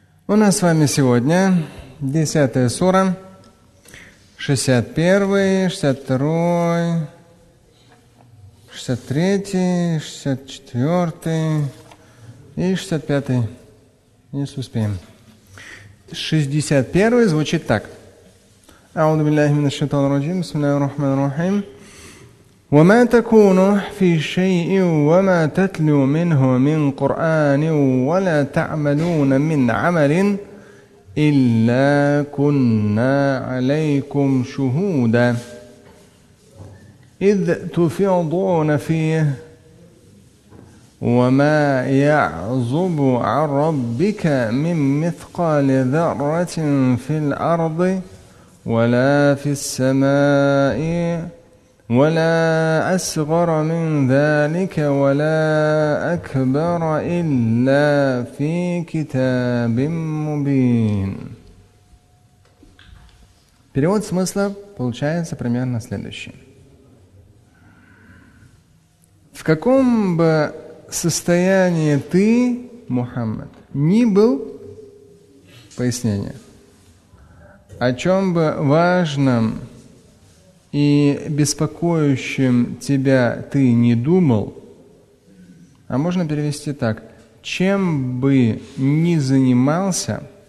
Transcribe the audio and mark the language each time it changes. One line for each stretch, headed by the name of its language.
Russian: У нас с вами сегодня 10-я сура, 61-й, 62-й, 63-й, 64-й и 65-й. Не успеем. 61-й звучит так.
Arabic: أعوذ بالله من الشيطان الرجيم بسم الله الرحمن الرحيم وما تكون في شيء وما تتلو منه من قرآن ولا تعملون من عمل إلا كنا عليكم شهودا إذ تفيضون فيه وما يعزب عن ربك من مثقال ذرة في الأرض ولا في السماء ولا أصغر من ذلك ولا أكبر إلا في كتاب مبين.
Russian: Перевод смысла получается примерно следующий. В каком бы состоянии ты, Мухаммад, ни был, пояснение, о чем бы важном и беспокоящим тебя ты не думал, а можно перевести так, чем бы ни занимался,